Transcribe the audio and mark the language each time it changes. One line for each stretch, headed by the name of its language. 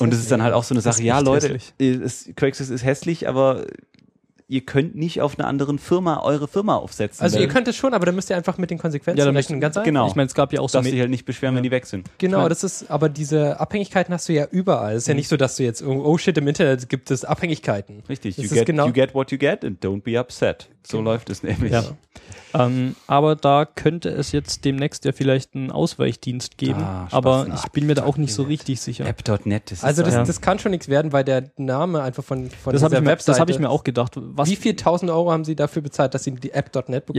German: Und das ist dann halt auch so eine Sache, ja Leute, Craigslist ist hässlich, aber ihr könnt nicht auf einer anderen Firma eure Firma aufsetzen. Also ihr könnt es schon, aber dann müsst ihr einfach mit den Konsequenzen rechnen. Ganz einfach. Genau. Ich meine, es gab ja auch so, dass sie halt nicht beschweren, wenn die weg sind. Genau, ich mein, das ist, aber diese Abhängigkeiten hast du ja überall. Es ist ja nicht so, dass du jetzt, oh shit, im Internet gibt es Abhängigkeiten. Richtig, das
English: you get what you get and don't be upset.
German: So läuft es nämlich. Ja. Aber da könnte es jetzt demnächst ja vielleicht einen Ausweichdienst geben, aber ich bin mir da auch nicht so richtig sicher. App.net, das ist also das kann schon nichts werden, weil der Name einfach von dieser Webseite. Das habe ich mir auch gedacht. Was, wie viel 1000 Euro haben Sie dafür bezahlt, dass Sie die App.net bekommen?